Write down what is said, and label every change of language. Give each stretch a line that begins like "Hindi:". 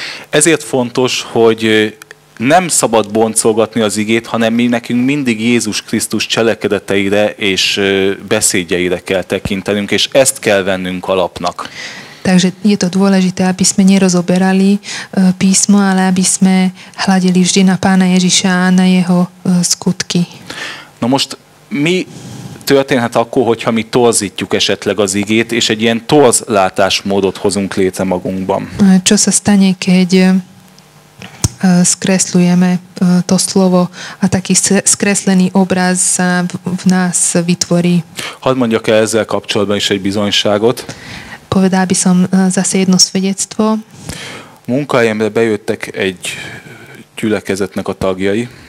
Hungarian: Ezért fontos, hogy nem szabad boncolgatni az igét, hanem mi nekünk mindig Jézus Krisztus cselekedeteire és beszédjeire kell tekintenünk, és ezt kell vennünk alapnak.
Slovak: Takže je to dôležité, aby sme nerozoberali písmo, ale aby sme hľadeli vždy na Pána Ježiša a na jeho skutky.
Hungarian: No most mi történhet akkor, hogyha mi torzítjuk esetleg az igét, és egy ilyen torz látásmódot hozunk létre magunkban.
Slovak: Čo sa stane, keď skresľujeme to slovo a taký skreslený obraz sa v nás vytvorí?
Hungarian: Hadd mondjak el ezzel kapcsolatban is egy bizonyságot.
Slovak: Povedal by som zase jedno svedectvo.
Hungarian: Munkahelyemre bejöttek egy gyülekezetnek a tagjai.